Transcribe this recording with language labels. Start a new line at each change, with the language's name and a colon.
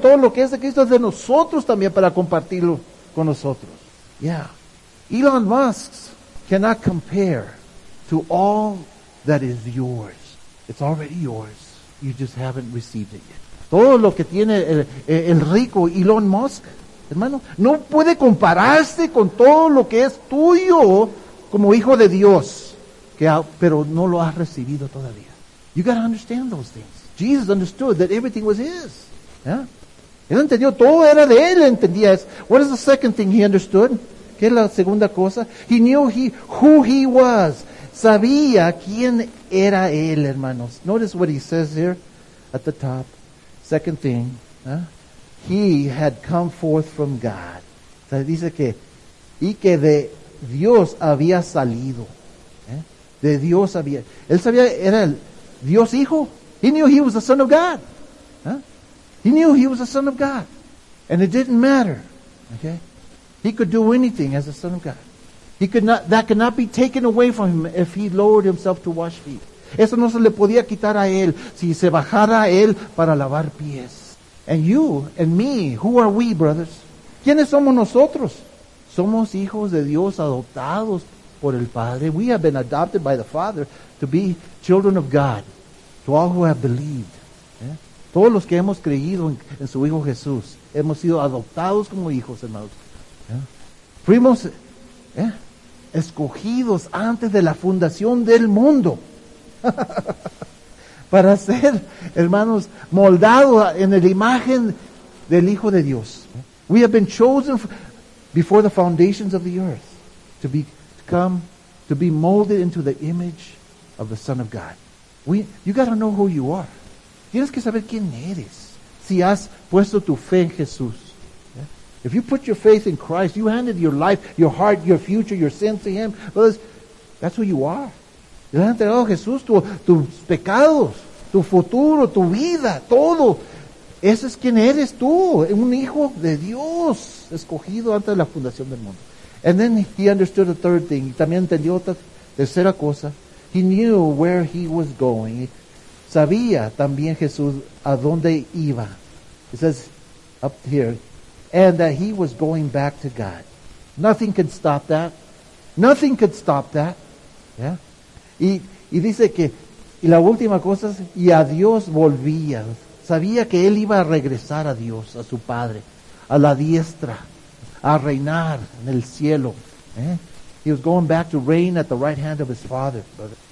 Spanish: Todo lo que es de Cristo es de nosotros también para compartirlo con nosotros.
English: Yeah. Elon Musk cannot compare to all that is yours. It's already yours. You just haven't received it yet.
Spanish: Todo lo que tiene el rico Elon Musk, hermano, no puede compararse con todo lo que es tuyo como hijo de Dios, pero no lo has recibido todavía.
English: You got to understand those things. Jesus understood that everything was his. Yeah.
Spanish: Él entendió, todo era de él, entendía eso.
English: What is the second thing he understood?
Spanish: ¿Qué es la segunda cosa?
English: He knew who he was.
Spanish: Sabía quién era él, hermanos.
English: Notice what he says here at the top. Second thing, he had come forth from God.
Spanish: O sea, dice que, y que de Dios había salido. De Dios había. Él sabía, era el Dios Hijo.
English: He knew he was the Son of God. He knew he was the Son of God. And it didn't matter. Okay? He could do anything as the Son of God. He could not, that could not be taken away from him if he lowered himself to wash feet.
Spanish: Eso no se le podía quitar a él si se bajara a él para lavar pies.
English: And you and me, who are we, brothers?
Spanish: ¿Quiénes somos nosotros? Somos hijos de Dios adoptados por el Padre.
English: We have been adopted by the Father to be children of God. To all who have believed. Yeah?
Spanish: Todos los que hemos creído en su Hijo Jesús, hemos sido adoptados como hijos, hermanos. Fuimos escogidos antes de la fundación del mundo para ser, hermanos, moldados en la imagen del Hijo de Dios.
English: We have been chosen before the foundations of the earth to be molded into the image of the Son of God. You got to know who you are.
Spanish: Tienes que saber quién eres si has puesto tu fe en Jesús.
English: If you put your faith in Christ, you handed your life, your heart, your future, your sin to Him, brothers, that's who you are.
Spanish: Le has entregado a Jesús tus pecados, tu futuro, tu vida, todo. Ese es quien eres tú, un hijo de Dios, escogido antes de la fundación del mundo.
English: And then he understood the third thing.
Spanish: También entendió otra tercera cosa.
English: He knew where he was going.
Spanish: Sabía también Jesús a dónde iba.
English: It says up here, and that he was going back to God. Nothing could stop that. Nothing could stop that. Yeah.
Spanish: Y dice que, y la última cosa es, y a Dios volvía. Sabía que él iba a regresar a Dios, a su Padre, a la diestra, a reinar en el cielo.
English: Yeah? He was going back to reign at the right hand of his Father. Brother.